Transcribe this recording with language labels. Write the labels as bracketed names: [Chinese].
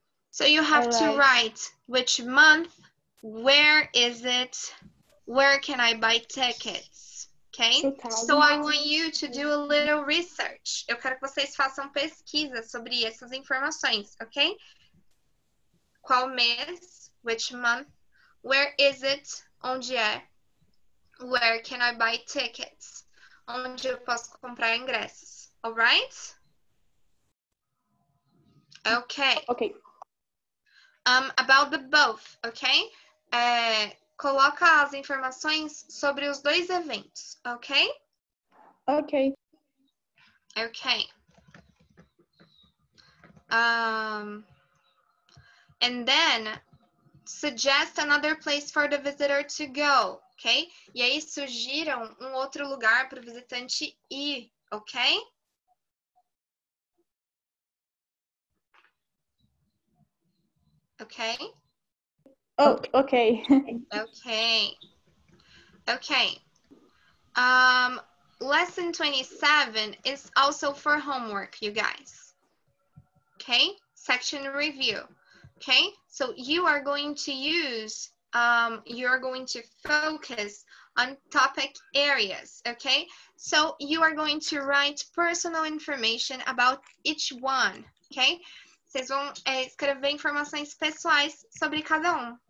[English] So you have to write which month, where is it, where can I buy tickets? Okay, so I want you to do a little research. [Portuguese] Eu quero que vocês façam pesquisa sobre essas informações, okay? Qual mês? [English] Which month? Where is it? [Portuguese] Onde é? [English] Where can I buy tickets? [Portuguese] Onde eu posso comprar ingressos? [English] All right? Okay. Okay. About the both, okay? [Portuguese] Coloca as informações sobre os dois eventos, ok? [English] Ok. Ok. And then, suggest another place for the visitor to go, ok? [Portuguese] E aí, sugiram um outro lugar para o visitante ir, ok? [English] Ok? Oh, okay. Okay. Okay. Lesson 27 is also for homework, you guys. Okay? Section review. Okay? So you are going to use, you're going to focus on topic areas. Okay? So you are going to write personal information about each one. Okay? [Portuguese] Vocês vão escrever informações pessoais sobre cada um.